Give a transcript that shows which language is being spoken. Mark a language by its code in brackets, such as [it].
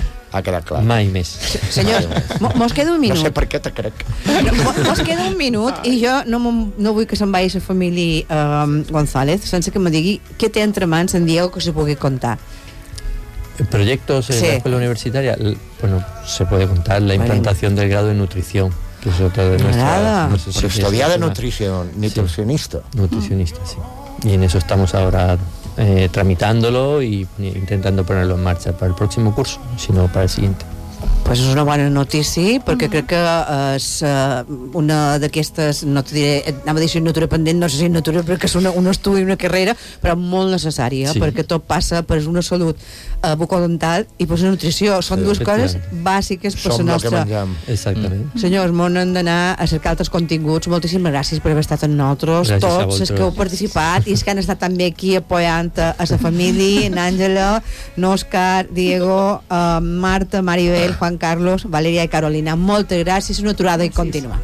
[ca] Ha quedat clar. Mai més. Senyors, mos queda un minut. No sé per què te crec. Mos queda un minut i jo no vull que se'n vagi la família González sense que me digui què té entre mans en Diego que se pugui contar. Projectos en l'escola universitària? [es] Bueno, se puede contar la implantación del grado de nutrición, que es otra de nuestras... Estudiar de nutricionista. Nutricionista, sí. Y en eso estamos ahora... tramitándolo y intentando ponerlo en marcha para el próximo curso, sino para el siguiente. Pues es una buena noticia, porque creo que es una de estas, no te diré, [ca] anava a decir natura pendent, [es] no sé si natura, porque es un estudio y una carrera, pero muy necesaria, sí. Porque todo pasa por una salud bucodental y por la nutrición. Son dos cosas básicas para la nuestra. Exactamente. [ca] Señores, mon han d'anar a cercar altres continguts. Moltíssimes gràcies per haver estat amb nosaltres. Gràcies tots els que heu participat i els que han estat també aquí apoyant a la família, en Àngela, en Òscar, Diego, Marta, Maribel, Juan Carlos, Valeria i Carolina. Moltes gràcies, una aturada i continua.